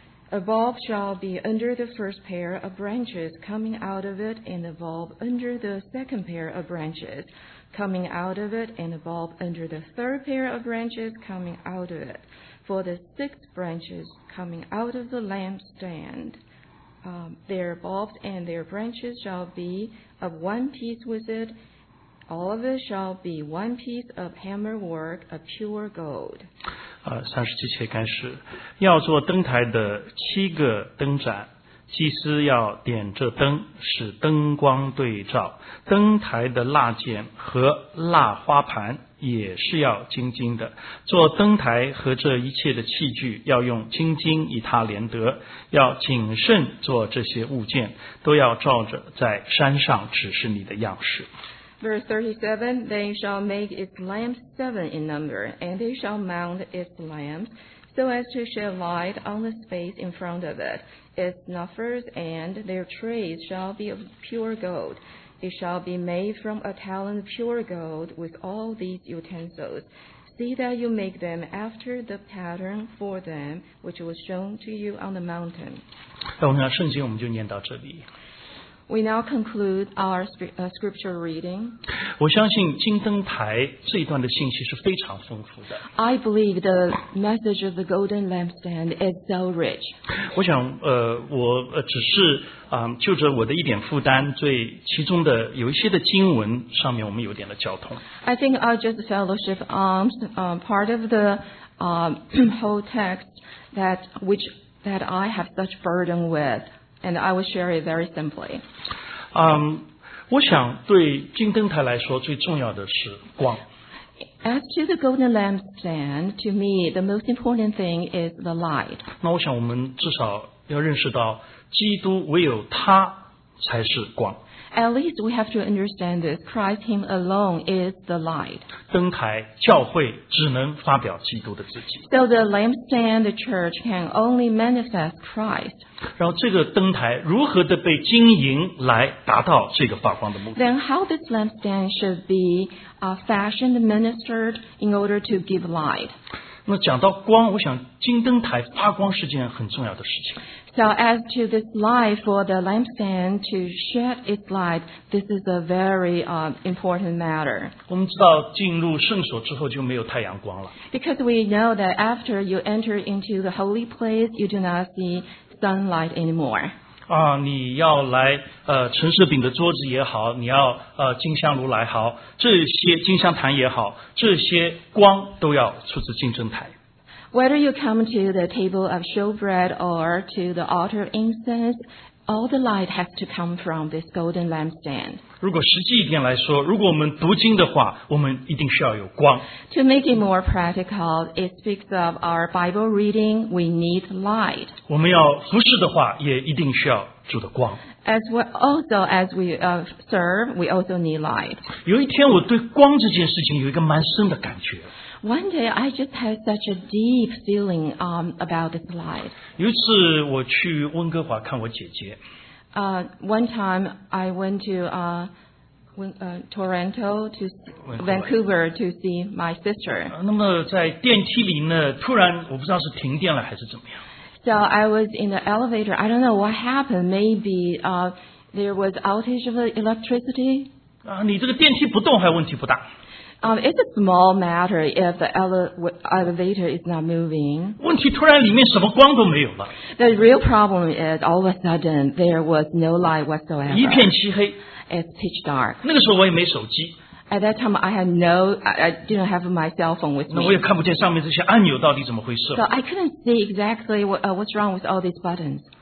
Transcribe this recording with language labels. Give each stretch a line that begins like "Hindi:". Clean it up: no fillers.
English: A bulb shall be under the first pair of branches coming out of it, and a bulb under the second pair of branches coming out of it, and a bulb under the third pair of branches coming out of it. For the six branches coming out of the lampstand, their bulbs and their branches shall be of one piece with it,All of it shall be one piece of hammer work of pure gold.
Chinese: 三十七节开始，要做灯台的七个灯盏，祭司要点着灯，使灯光对照灯台的蜡剪和蜡花盘，也是要金金的。做灯台和这一切的器具，要用金金与它连得，要谨慎做这些物件，都要照着在山上指示你的样式。
English: Verse 37, they shall make its lamps seven in number, and they shall mount its lamps so as to shed light on the space in front of it. Its snuffers and their trays shall be of pure gold. It shall be made from a talent of pure gold with all these utensils. See that you make them after the pattern for them which was shown to you on the mountain.
Chinese: 那我们讲圣经，我们就念到这里。
English: We now conclude our scripture reading.
Chinese: 我相信金灯台这一段的信息是非常丰富的。
English: I believe the message of the golden lampstand is so rich.
Chinese: 我想，我只是就着我的一点负担，对其中的有一些的经文上面我们有点的交通。
English: I think I just fellowship on part of the whole text that I have such burden with. And I will share it very simply.
Chinese: 我想对金灯台来说最重要的是光。
English: As to the golden lampstand, to me, the most important thing is the light.
Chinese: 那我想我们至少要认识到基督唯有他才是光。
English: At least we have to understand this. Christ Him alone is the light.
Chinese: 灯台教会只能发表基督的自己。
English: So the lampstand, the church can only manifest Christ.
Chinese: 然后这个灯台如何的被经营来达到这个发光的目的？
English: Then how this lampstand should be fashioned, ministered in order to give light.
Chinese: 那讲到光，我想金灯台发光是件很重要的事情。
English: So as to this light for the lampstand to shed its light, this is a very important matter.
Chinese: 我们知道进入圣所之后就没有太阳光了。
English: Because we know that after you enter into the holy place, you do not see sunlight anymore.
Chinese: 你要来陈设饼的桌子也好，你要金香炉来好，这些金香坛也好，这些光都要出自金灯台。
English: Whether you come to the table of showbread or to the altar of incense, all the light has to come from this golden lampstand.
Chinese: 如果实际一点来说，如果我们读经的话，我们一定需要有光。
English: To make it more practical, it speaks of our Bible reading. We need light.
Chinese: 我们要服侍的话，也一定需要主的光。
English: As well, also as we serve, we also need light.
Chinese: 有一天，我对光这件事情有一个蛮深的感觉。
English: One day, I just had such a deep feeling about this light.
Chinese: 有一次我去温哥华看我姐姐。
English: One time, I went to Toronto to Vancouver to see my sister.
Chinese: 那么在电梯里呢，突然我不知道是停电了还是怎么样。
English: So I was in the elevator. I don't know what happened. Maybe there was outage of electricity.
Chinese: 你这个电梯不动还问题不大。
English: It's a small matter if the elevator is not moving.
Chinese: 问题突然里面什么光都没有了。
English: The real problem is all of a sudden there was no light whatsoever.
Chinese: 一片漆黑。
English: It's pitch dark.
Chinese: 那个时候我也没手机。
English: At that time I didn't have my cell phone with me.
Chinese: 那我也看不见上面这些按钮到底怎么回事。
English: So I couldn't see exactly what's wrong with all these buttons.